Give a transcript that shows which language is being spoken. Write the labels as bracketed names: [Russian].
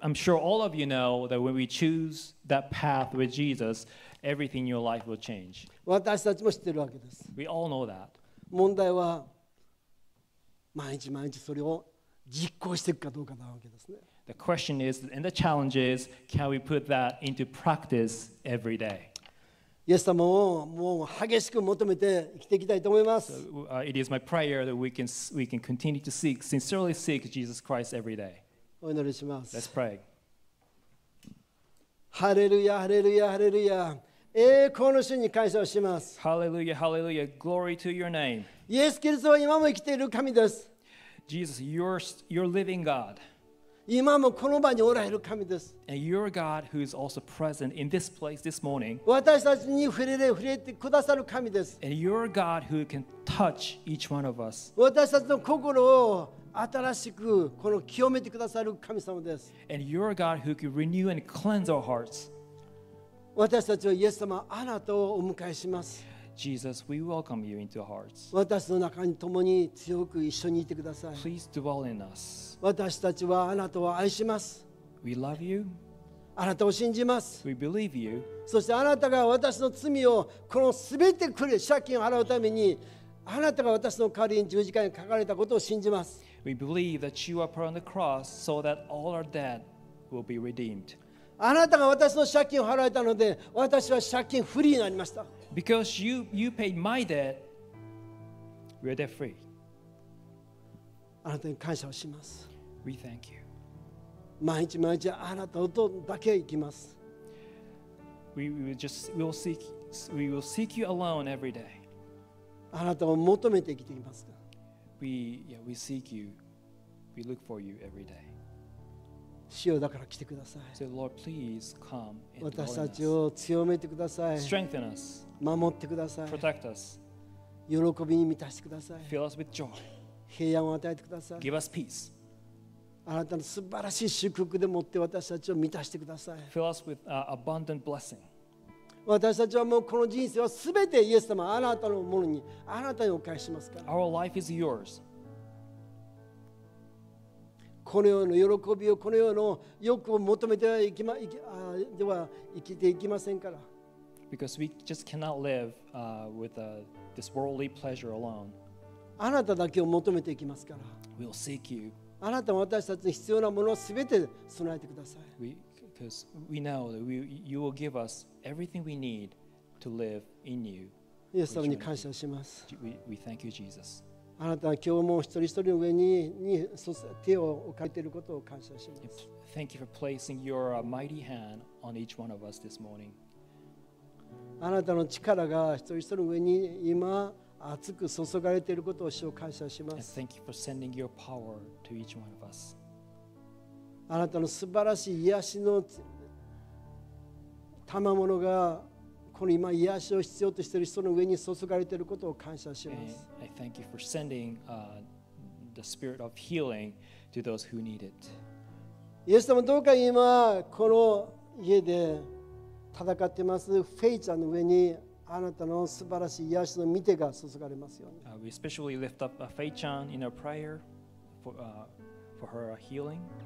[English] I'm sure all of you know that when we choose that path with Jesus, everything in your life will change. We all know that. The question is, and the challenge is, can we put that into practice every day? [Japanese] イエス様をもう激しく求めて生きていきたいと思います。 [English] It is my prayer that we can continue to seek, sincerely seek Jesus Christ every day. [Japanese] お祈りします。 [English] Let's pray. [Japanese] ハレルヤ、ハレルヤ、ハレルヤ。栄光の主に感謝をします。 [English] ハレルヤ、ハレルヤ、glory to your name. [Japanese] イエス・キリストは今も生きている神です。 [English] Jesus, you're living God. [Japanese] 今もこの場におられる神です。 [English] And you're God who is also present in this place this morning. [Japanese] 私たちに触れてくださる神です。 [English] And you're God who can touch each one of us. [Japanese] 私たちの心を新しくこの清めてくださる神様です。 [English] And you're God who can renew and cleanse our hearts. [Japanese] 私たちはイエス様、あなたをお迎えします。 [English] Jesus, we welcome you into our hearts. [Japanese] 私の中に共に強く一緒にいてください。 [English] Please dwell in us. [Japanese] 私たちはあなたを愛します。 [English] We love you. [Japanese] あなたを信じます。 [English] We believe you. [Japanese] そしてあなたが私の罪をこの全てくれ、借金を払うためにあなたが私の代わりに十字架にかかれたことを信じます。 [English] We believe that you are put on the cross so that all our debt will be redeemed. [Japanese] あなたが私の借金を払われたので私は借金フリーになりました。 [English] Because you paid my debt, we are debt free. [Japanese] あなたに感謝をします。 [English] We thank you. [Japanese] 毎日毎日あなたとだけ行きます。 [English] We will seek you alone every day. [Japanese] あなたを求めて生きていますか。 [English] We seek you. We look for you every day. [Japanese] 主よだから来てください。 [English] So, Lord, please come and dwell in us. [Japanese] 私たちを強めてください。 [English] Strengthen us. [Japanese] 守ってください。 [English] Protect us. [Japanese] 喜びに満たしてください。 [English] Fill us with joy. [Japanese] 平安を与えてください。 [English] Give us peace. [Japanese] あなたの素晴らしい祝福でもって私たちを満たしてください。 [English] Fill us with abundant blessing. [Japanese] 私たちはもうこの人生はすべてイエス様、あなたのものに、あなたにお返しますから。 [English] Our life is yours. [Japanese] この世の喜びをこの世の欲を求めてはでは生きていきませんから。 [English] Because we just cannot live with this worldly pleasure alone. [Japanese] あなただけを求めていきますから。 [English] We'll seek you. [Japanese] あなたは私たちに必要なものをすべて備えてください。 [English] Because we know that you will give us everything we need to live in you. [Japanese] イエス様に感謝します。 [English] We thank you, Jesus. [Japanese] あなたは今日も一人一人の上 に手を置かれていることを感謝します。 [English] Thank you for placing your mighty hand on each one of us this morning. [Japanese] あなたの力が一人一人の上に今熱く注がれていることを主を感謝します。 [English] And thank you for sending your power to each one of us. [Japanese] あなたの素晴らしい癒しの賜物がこの今癒しを必要としている人の上に注がれていることを感謝します。 [English] I thank you for sending the spirit of healing to those who need it. [Japanese] イエス様どうか今この家で戦っていますフェイちゃんの上にあなたの素晴らしい癒しの御手が注がれますように。 [English] We especially lift up Fei-chan in our prayer for her healing.